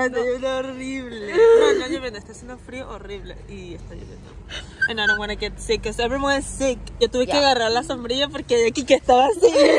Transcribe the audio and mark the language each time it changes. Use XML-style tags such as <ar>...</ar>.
<es>Está lloviendo horrible. No, está lloviendo. Está haciendo frío horrible. Y está lloviendo.</es> <en>And I don't want to get sick because everyone is sick.</en> <es>Yo tuve que agarrar la sombrilla porque aquí que estaba así.</es>